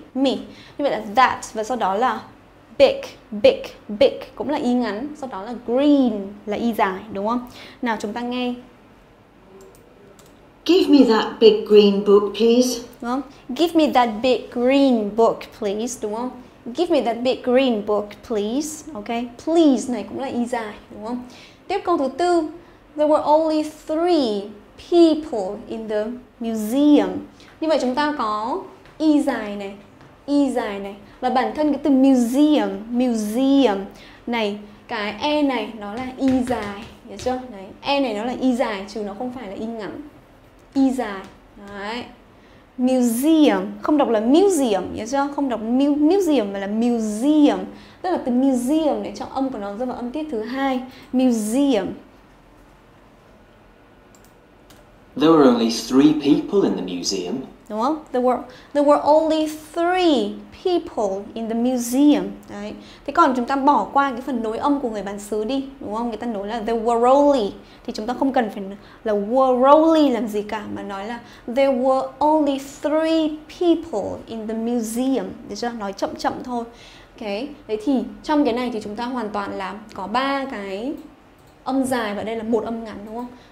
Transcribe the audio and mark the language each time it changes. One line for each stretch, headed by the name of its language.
Vietnamese: Như vậy là that và sau đó là big cũng là y ngắn, sau đó là green là y dài, đúng không? Nào chúng ta nghe.
English: Give me that big green book, please.
Vietnamese: Đúng không?
English: Give me that big green book, please. Đúng không? Give me that big green book, please. Okay.
Vietnamese: Please này cũng là y dài, đúng không? Tiếp câu thứ tư.
English: There were only three people in the museum.
Vietnamese: Như vậy chúng ta có y dài này. Và bản thân cái từ museum này, cái e này nó là y dài, hiểu chưa? Đấy. E này nó là y dài chứ nó không phải là y ngắn. Y dài. Đấy. Museum, không đọc là museum, hiểu chưa? Không đọc museum mà là museum. Tức là từ museum này trong âm của nó rơi vào âm tiết thứ hai, museum.
English: There were only three people in the museum.
Vietnamese: Đúng không?
English: There were only three people in the museum.
Vietnamese: Đấy. Thế còn chúng ta bỏ qua cái phần nối âm của người bản xứ đi, đúng không? Người ta nói là
English: there were only.
Vietnamese: Thì chúng ta không cần phải là
English: were only
Vietnamese: làm gì cả, mà nói là
English: there were only three people in the museum.
Vietnamese: Được chưa? Nói chậm chậm thôi. Okay. Đấy thì trong cái này thì chúng ta hoàn toàn là có ba cái âm dài và đây là một âm ngắn, đúng không?